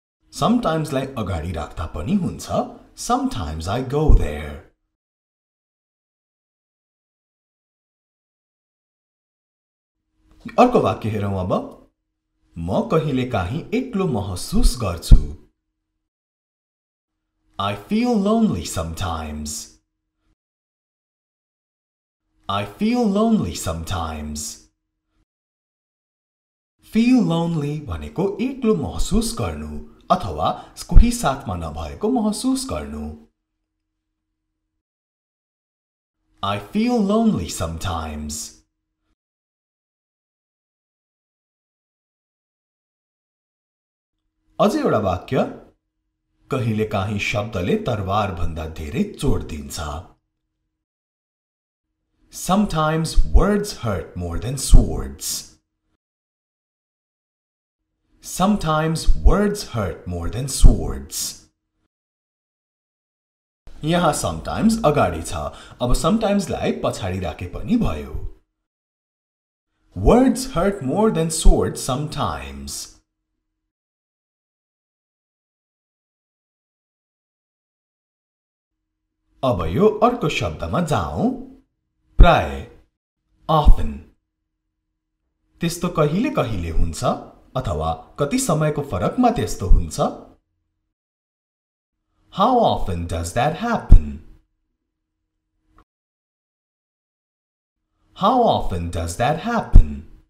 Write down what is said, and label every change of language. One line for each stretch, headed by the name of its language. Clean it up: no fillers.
Nepali: Sometimes लाई अगाडि राख्दा पनि हुन्छ।
English: Sometimes I go there.
Nepali: अर्को वाक्य हेरौँ अब। म कहिले काहीँ एक्लो महसुस गर्छु।
English: I feel lonely sometimes. I feel lonely sometimes.
Nepali: Feel lonely भनेको एक्लो महसुस गर्नु अथवा कोही साथमा नभएको महसुस गर्नु।
English: I feel lonely sometimes.
Nepali: अझै एउटा वाक्य। कहिले काहीँ शब्दले तरवार भन्दा धेरै चोट दिन्छ।
English: Sometimes words hurt more than swords. Sometimes words hurt more than swords.
Nepali: यहाँ sometimes अगाडि छ। अब sometimes लाई पछाडि राखे पनि भयो।
English: Words hurt more than swords sometimes.
Nepali: अब यो अर्को शब्दमा जाउँ। प्राय often त्यस्तो कहिले कहिले हुन्छ अथवा कति समयको फरकमा त्यस्तो हुन्छ।
English: How often does that happen? How often does that happen?